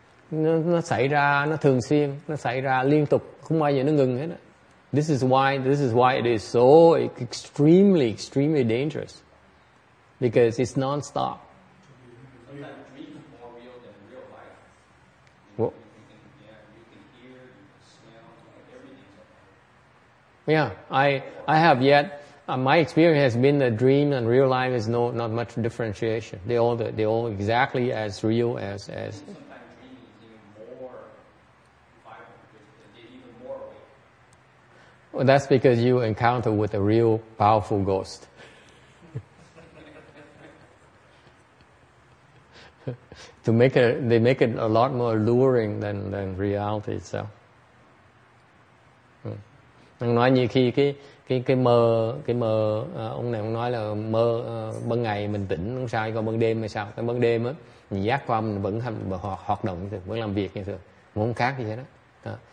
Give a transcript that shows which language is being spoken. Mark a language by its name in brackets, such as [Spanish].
[Vietnamese] Nó xảy ra, nó thường xuyên, nó xảy ra liên tục, không bao giờ nó ngừng hết. [English] This is why it is so extremely, extremely dangerous. because it's non-stop. Sometimes dreams are more real than real life. Yeah, I have yet. My experience has been that dream and real life is not much differentiation. They all exactly as real as. Sometimes dreaming is even more vibrant, even more awake. Well, that's because you encounter with a real powerful ghost. they make it a lot more alluring than reality itself. [Vietnamese] Ông nói nhiều khi cái mơ ông này ông nói là mơ ban ngày mình tỉnh không sao, còn ban đêm hay sao, cái ban đêm á giác quan mình vẫn hoạt động như thường, vẫn làm việc như thường, không khác gì hết đó. Đó.